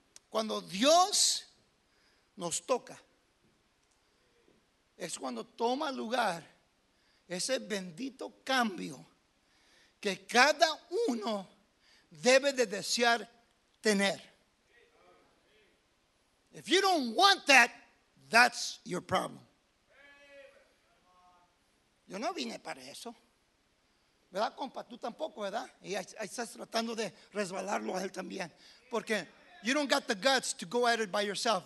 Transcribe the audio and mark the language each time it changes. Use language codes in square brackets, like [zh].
[es] Cuando Dios nos toca, es cuando toma lugar ese bendito cambio que cada uno debe de desear tener. [en] If you don't want that, that's your problem. [es] Yo no vine para eso, ¿verdad, compa? Tú tampoco, ¿verdad? Y estás tratando de resbalarlo a él también. Porque [en] you don't got the guts to go at it by yourself.